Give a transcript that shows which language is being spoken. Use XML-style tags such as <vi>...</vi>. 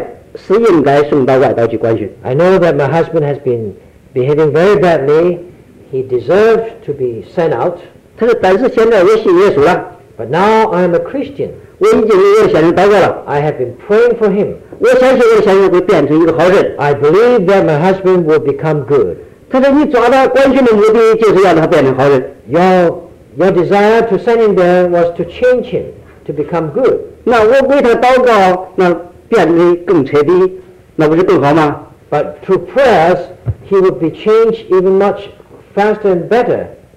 <zh>她说我的先生这么坏，是应该送到外岛去关讯。</zh> <en>I know that my husband has been behaving very badly. He deserves to be sent out.</en> <zh>她说但是现在我信耶稣了。</zh> <en>But now I am a Christian.</en> <zh>我已经为我的先生祷告了。</zh> <en>I have been praying for him.</en> <zh>我相信我的先生会变成一个好人。</zh> <en>I believe that my husband will become good.</en> <zh>她说你抓他关讯的目的就是让他变成好人。</zh> <en>Your desire to send him there was to change him, to become good.</en> <zh>那我为他祷告，那变得更彻底，那不是更好吗？</zh> <en>But through prayers, he would be changed even much faster and better.</en>